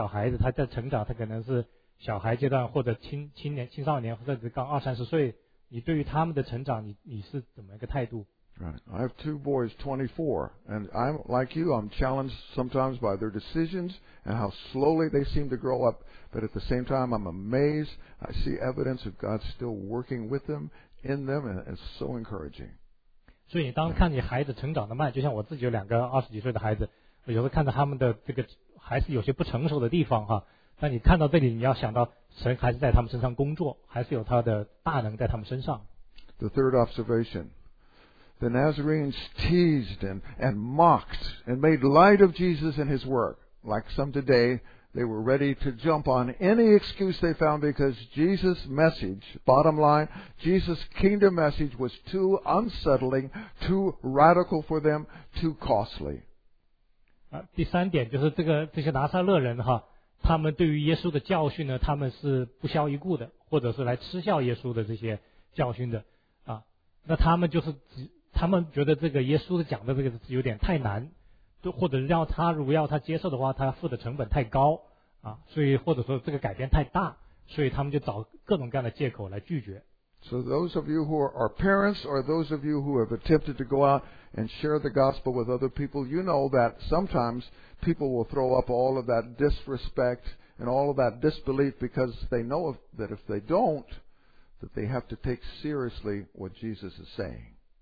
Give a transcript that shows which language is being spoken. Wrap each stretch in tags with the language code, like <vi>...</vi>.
<zh>还是说你现在好像就像你家里有个小孩子，他在成长，他可能是 小孩阶段或者青年青少年或者刚二三十岁，你对于他们的成长，你是怎么一个态度？</zh> <en>Right. I have two boys, 24, and I'm like you. I'm challenged sometimes by their decisions and how slowly they seem to grow up. But at the same time, I'm amazed. I see evidence of God still working with them in them, and it's so encouraging.</en> <zh>所以你当看你孩子成长的慢，就像我自己有两个二十几岁的孩子，我有时候看到他们的这个还是有些不成熟的地方哈。但你看到这里，你要想到神还是在他们身上工作，还是有他的大能在他们身上。</zh> <en>The third observation, the Nazarenes teased and mocked and made light of Jesus and His work. Like some today, they were ready to jump on any excuse they found because Jesus' message, bottom line, Jesus' kingdom message was too unsettling, too radical for them, too costly.</en> <zh>第三点就是这些拿撒勒人哈。他们对于耶稣的教训呢，他们是不屑一顾的，或者是来嗤笑耶稣的这些教训的，啊，那他们就是他们觉得这个耶稣讲的这个有点太难，或者让他如果要他接受的话，他付的成本太高，啊，所以或者说这个改变太大，所以他们就找各种各样的借口来拒绝。</zh> <en>So those of you who are parents or those of you who have attempted to go out and share the gospel with other people, you know that sometimes people will throw up all of that disrespect and all of that disbelief because they know that if they don't, that they have to take seriously what Jesus is saying.</en>